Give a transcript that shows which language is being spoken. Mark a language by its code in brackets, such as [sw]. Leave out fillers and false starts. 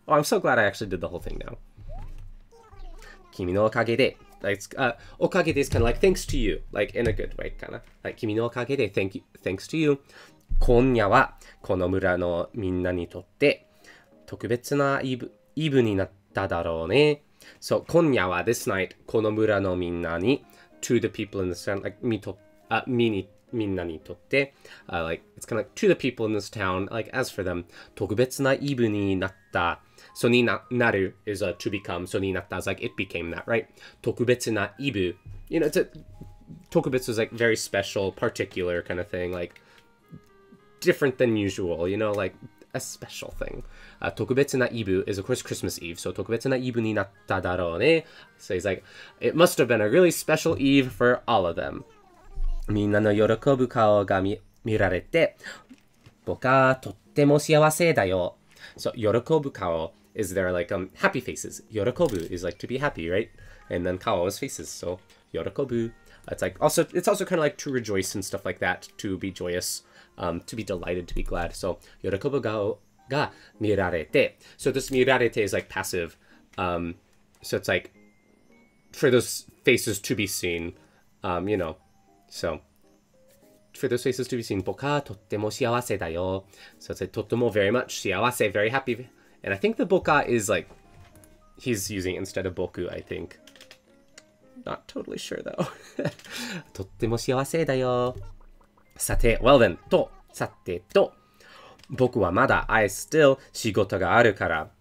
[en] Oh, I'm so glad I actually did the whole thing now. [ja] 君のおかげで。 [en] That's, おかげで is kind of like, thanks to you. Like, in a good way, kind of. Like, 君のおかげで、 thank you, thanks to you. [ja] 今夜はこの村のみんなにとって特別なイブになっただろうね。 [en] So, 今夜は this night, この村のみんなに to the people in this town, like, みんなにとって like, it's kind of like, to the people in this town, like, as for them, [ja] 特別なイブになった。 [en] So, になる is a to become, so になった is like, it became that, right? [ja] 特別なイブ。 [en] You know, it's a, 特別 is like, very special, particular kind of thing, like, different than usual, you know, like,a special thing. 特別なイブ is of course Christmas Eve. [ja] So 特別なイブになっただろうね。 [en] So he's like, it must have been a really special Eve for all of them. [ja] みんなの喜ぶ顔が見られて、僕はとっても幸せだよ。 [en] So 喜ぶ顔 is there like happy faces. 喜ぶ is like to be happy, right? And then 顔 is faces. So 喜ぶ. It's like also, it's also kind of like to rejoice and stuff like that, to be joyous. To be delighted, to be glad. So, [ja] 喜ぶ顔が見られて. [en] So this 見られて is like passive. So it's like for those faces to be seen, you know. So, for those faces to be seen, [ja] 僕はとっても幸せだよ. [en] So it's like, とても very much 幸せ, very happy. And I think the 僕は is like, he's using instead of 僕, I think. Not totally sure though. [ja] とっても幸せだよ。さて、 well then, と、さてと、僕はまだ、 I still, 仕事があるから。